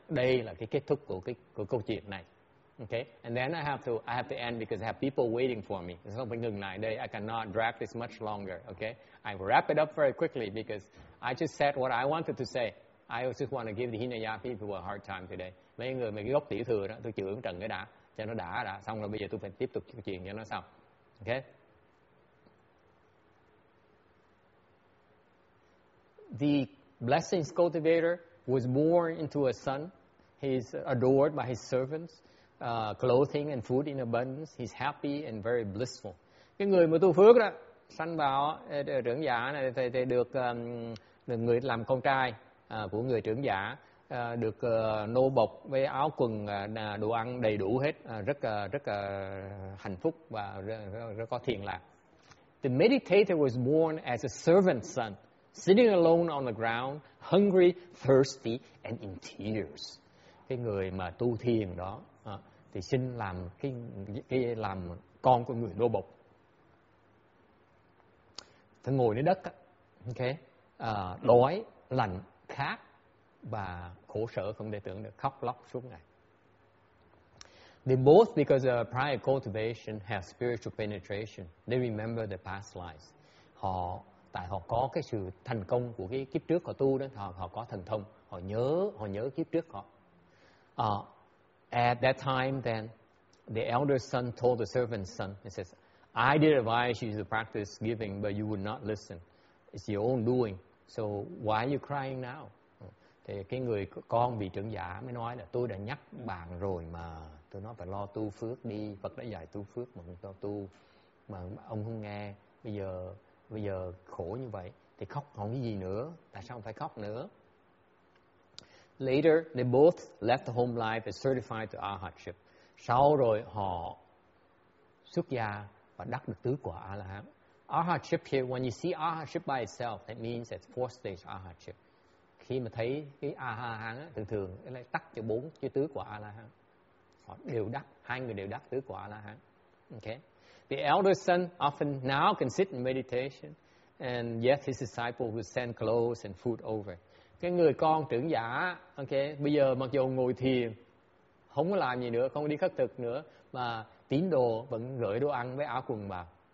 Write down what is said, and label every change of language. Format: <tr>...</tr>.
<vi>Đây là cái kết thúc của câu chuyện này.</vi> <en>Okay, and then I have to end because I have people waiting for me. So</en> <vi>phải ngừng lại đây.</vi> <en>I cannot drag this much longer. Okay, I wrap it up very quickly because I just said what I wanted to say. I also want to give the Hinayana people a hard time today.</en> <vi>Mấy người mấy cái gốc tiểu thừa đó, tôi chửi một trận cái đã, cho nó đã, xong rồi bây giờ tôi phải tiếp tục câu chuyện cho nó xong.</vi> <en>Okay. The blessings cultivator was born into a son. He's adored by his servants, clothing and food in abundance. He's happy and very blissful.</en> <vi>Cái người mà tu phước đó, sanh vào trưởng giả này thì được được người làm con trai của người trưởng giả, được nô bộc với áo quần, đồ ăn đầy đủ hết, rất hạnh phúc và rất có thiện lạc.</vi> <en>The meditator was born as a servant's son, sitting alone on the ground, hungry, thirsty, and in tears.</en> <vi>Cái người mà tu thiền đó, thì sinh làm cái làm con của người nô bộc. Thì ngồi dưới đất, okay, đói, lạnh, khát và khổ sở không thể tưởng được, khóc lóc suốt ngày.</vi> <en>They both, because of prior cultivation, have spiritual penetration. They remember their past lives.</en> <vi>Họ tại họ có cái sự thành công của cái kiếp trước họ tu đó, họ có thần thông, họ nhớ kiếp trước họ.</vi> <en>At that time then, the elder son told the servant son, he says, I did advise you to practice giving, but you would not listen. It's your own doing. So why are you crying now?</en> <vi>Thì cái người con vị trưởng giả mới nói là tôi đã nhắc bạn rồi mà tôi nói phải lo tu phước đi, Phật đã dạy tu phước mà không cho tu, mà ông không nghe, bây giờ khổ như vậy thì khóc còn cái gì nữa, tại sao phải khóc nữa.</vi> <en>Later they both left the home life and certified to arhatship.</en> <vi>Sau rồi họ xuất gia và đắc được tứ quả A-la-hán.</vi> <en>Arhatship here, when you see arhatship by itself, that means it's 4-stage arhatship.</en> <vi>Khi mà thấy cái A-la-hán á, thường thường nó lại tắc cho 4 chứ tứ quả A-la-hán. Họ đều đắc, hai người đều đắc tứ quả A-la-hán.</vi> <en>Okay. The elder son often now can sit in meditation and yet his disciple would send clothes and food over.</en> <vi>Cái người con trưởng giả, okay, bây giờ mặc dù ngồi thiền, không có làm gì nữa, không đi khất thực nữa, mà tín đồ vẫn gửi đồ ăn với áo quần vào.</vi>